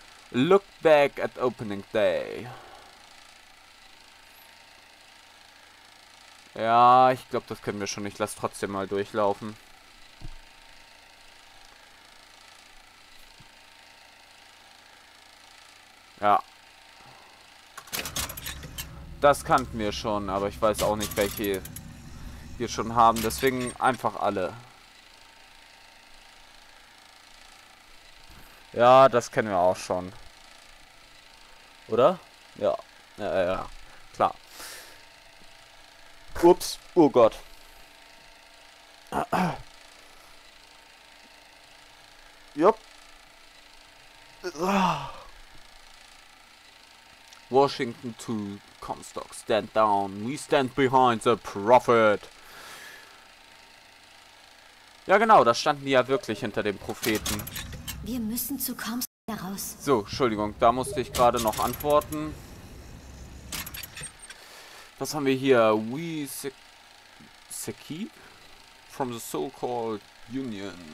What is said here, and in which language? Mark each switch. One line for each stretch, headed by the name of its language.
English: Look back at opening day.
German: Ja, ich glaube, das können wir schon. Ich lasse trotzdem mal durchlaufen. Ja. Das kannten wir schon, aber ich weiß auch nicht, welche wir schon haben. Deswegen einfach alle. Ja, das kennen wir auch schon. Oder? Ja. Ja. Klar. Ups. Oh Gott. Jupp.
English: Washington 2. Comstock, stand down. We stand behind the prophet.
German: Ja, genau, da standen die ja wirklich hinter dem Propheten. Wir müssen zu Comstock raus. So, Entschuldigung, da musste ich gerade noch antworten. Was haben wir hier?
English: We secede from the so-called Union.